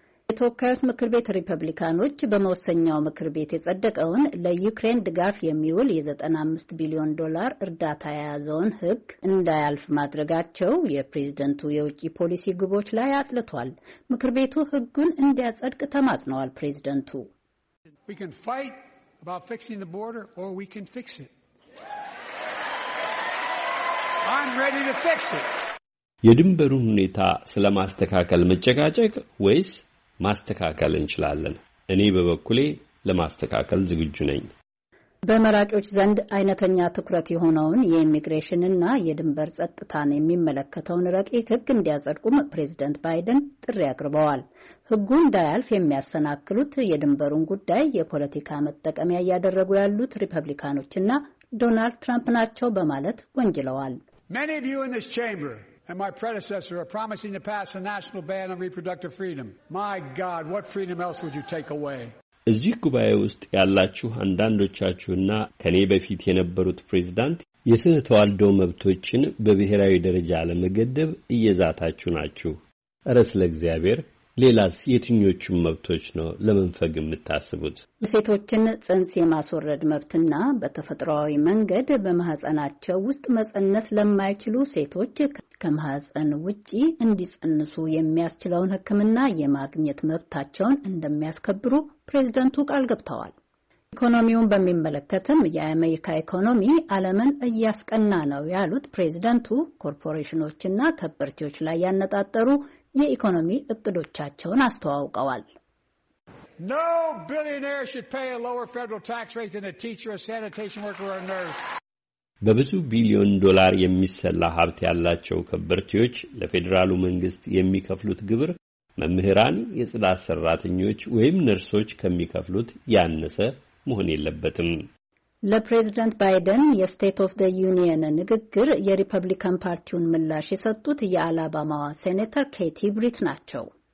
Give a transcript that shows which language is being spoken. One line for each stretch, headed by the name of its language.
Amharic: የተወካዮች ምክር ቤት ሪፐብሊካኖች በመወሰኛው ምክር ቤት የጸደቀውን ለዩክሬን ድጋፍ የሚውል የ95 ቢሊዮን ዶላር እርዳታ የያዘውን ሕግ እንዳያልፍ ማድረጋቸው የፕሬዝደንቱ የውጭ ፖሊሲ ግቦች ላይ አጥልቷል። ምክር ቤቱ ሕጉን እንዲያጸድቅ ተማጽነዋል ፕሬዝደንቱ።
English: We can fight about fixing the border or we can fix it. I'm ready to fix it.
Amharic: የድንበሩን ሁኔታ ስለማስተካከል መጨቃጨቅ ወይስ ማስተካከል እንችላለን? እኔ በበኩሌ ለማስተካከል ዝግጁ ነኝ። በመራጮች ዘንድ አይነተኛ ትኩረት የሆነውን የኢሚግሬሽንና የድንበር ጸጥታን የሚመለከተውን ረቂቅ ሕግ እንዲያጸድቁም ፕሬዝዳንት ባይደን ጥሪ አቅርበዋል። ሕጉ እንዳያልፍ የሚያሰናክሉት የድንበሩን ጉዳይ የፖለቲካ መጠቀሚያ ያደረጉ ያሉት ሪፐብሊካኖችና ዶናልድ ትራምፕ ናቸው በማለት ወንጅለዋል።
English: Many of you in this chamber and my predecessor are promising to pass a national ban on reproductive freedom. My God, what freedom else would you take away?
Amharic: እዚህ ጉባኤ ውስጥ ያላችሁ አንዳንዶቻችሁና ከኔ በፊት የነበሩት ፕሬዝዳንት የስነ ተዋልዶ መብቶችን በብሔራዊ ደረጃ ለመገደብ እየዛታችሁ ናችሁ። ራስ ለእግዚአብሔር ሌላስ የትኞቹ መብቶች ነው ለመንፈግ የምታስቡት? ሴቶችን ጽንስ የማስወረድ መብትና በተፈጥሯዊ መንገድ በማህፀናቸው ውስጥ መጸነስ ለማይችሉ ሴቶች ከማህፀን ውጪ እንዲጸንሱ የሚያስችለውን ህክምና የማግኘት መብታቸውን እንደሚያስከብሩ ፕሬዝዳንቱ ቃል ገብተዋል። ኢኮኖሚውን በሚመለከትም የአሜሪካ ኢኮኖሚ ዓለምን እያስቀና ነው ያሉት ፕሬዝዳንቱ ኮርፖሬሽኖችና ከበርቴዎች ላይ ያነጣጠሩ የኢኮኖሚ እቅዶቻቸውን አስተዋውቀዋል።
English: No billionaire should pay a lower federal tax rate than a teacher, a sanitation worker or a nurse.
Amharic: በብዙ ቢሊዮን ዶላር የሚሰላ ሀብት ያላቸው ከበርቴዎች ለፌደራሉ መንግስት የሚከፍሉት ግብር መምህራን፣ የጽዳት ሰራተኞች ወይም ነርሶች ከሚከፍሉት ያነሰ መሆን የለበትም። ለፕሬዝዳንት ባይደን የስቴት ኦፍ ዘ ዩኒየን ንግግር የሪፐብሊካን ፓርቲውን ምላሽ የሰጡት የአላባማዋ ሴኔተር ኬቲ ብሪት ናቸው።